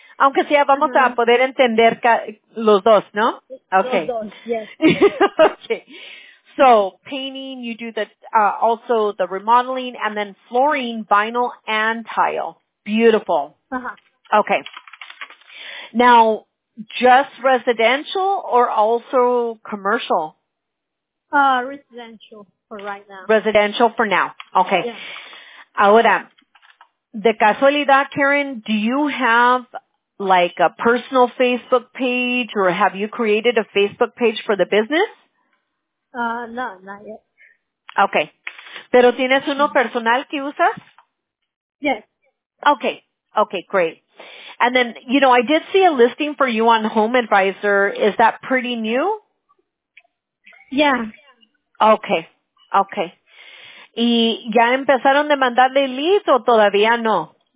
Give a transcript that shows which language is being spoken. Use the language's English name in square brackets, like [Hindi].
[Spanish] Aunque sea, vamos a poder entender los dos, ¿no? [English] Okay. [Spanish] Los dos, [English] yes. Okay. So, painting, you do the, also the remodeling, and then flooring, vinyl, and tile. Beautiful. Uh-huh. Okay. Now, just residential or also commercial? Residential for right now. Residential for now. Okay. Yes. [Spanish] Ahora, de casualidad, [English] Karen, do you have like a personal Facebook page, or have you created a Facebook page for the business? No, not yet. [Spanish] Okay. ¿Pero tienes uno personal que usas? [English] Yes. Okay. Okay, great. And then, you know, I did see a listing for you on Home Advisor. Is that pretty new? Yeah. Okay. [Spanish] Okay. ¿Y ya empezaron de mandarle leads o todavía no?